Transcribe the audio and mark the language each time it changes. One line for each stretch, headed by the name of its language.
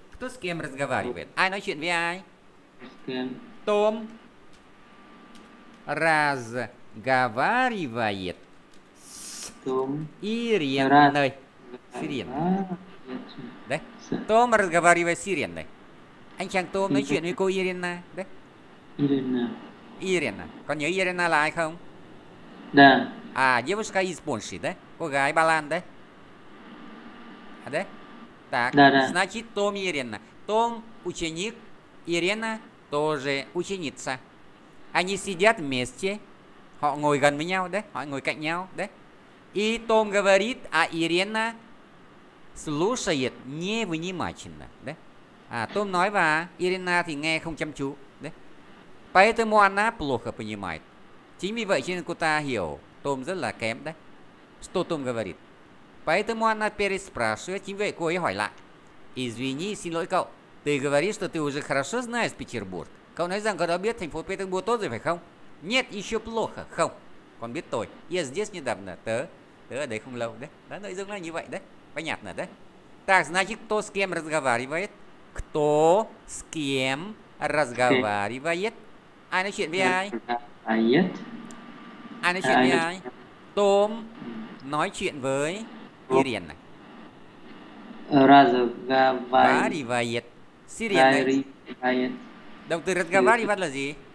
Russian: Кто с кем разговаривает? Ай, ну чё, ай? С кем? Том разговаривает. Ириной. Сиреной. Да? Том разговаривает с Ириной.
Vietnamese: Anh chàng Том nói chuyện với cô Ирена.
Russian: Да? Ирена.
Vietnamese: Còn nhớ Ирена là ai không?
Russian: Да. А, девушка из Польши, да?
Vietnamese: Cô gái Ba Lan, да?
Russian: А, да? Так. Да, да. Значит, Том и Ирена. Том ученик, Ирена тоже ученица. Они сидят вместе.
Vietnamese: Họ ngồi gần với nhau, да? Họ ngồi cạnh nhau, да?
Russian: И Том говорит, а Ирена слушает невнимательно, да?
Vietnamese: А Том nói và Ирена thì nghe không chăm chú, да?
Russian: Поэтому она плохо понимает.
Vietnamese: Chính vì vậy cho nên cô ta hiểu Том rất là kém, да?
Russian: Что Том говорит? Поэтому она переспрашивает,
Vietnamese: chính vậy cô ấy hỏi lại.
Russian: Извини,
Vietnamese: xin lỗi cậu.
Russian: Ты говоришь, что ты уже хорошо знаешь Петербург.
Vietnamese: Cậu nói rằng cậu đã biết thành phố Петербург tốt rồi phải không?
Russian: Нет, еще плохо.
Vietnamese: Không. Còn biết tôi.
Russian: Я здесь недавно.
Vietnamese: Tớ ở đây không lâu. Đấy. Đó, nội dung là như vậy đấy.
Russian: Понятно, đấy. Так, значит, кто с кем разговаривает? Кто с кем разговаривает?
Vietnamese: Ai nói chuyện với ai? Ai nói chuyện với ai? Том nói chuyện với Ирен.
Russian: Разговаривает. Сирен.
Vietnamese: Động từ разговаривает là gì?